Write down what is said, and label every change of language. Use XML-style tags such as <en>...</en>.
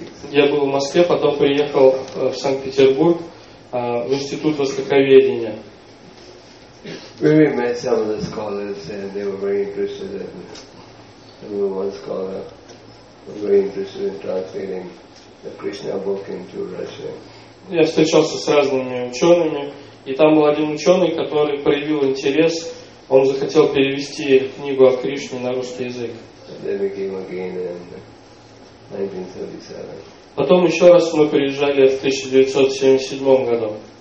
<ru>Я был в Москве, потом приехал в Санкт-Петербург в Институт Востоковедения.</ru> <en>We met some of the scholars and they were very interested in one scholar was very interested in translating the Krishna book into Russian.</en> <ru>Я встречался с разными учеными, и там был один ученый, который проявил интерес. Он захотел перевести книгу о Кришне на русский язык.</ru> <en>And then we came again in 1977.</en> <ru>Потом еще раз мы приезжали в 1977 году.</ru>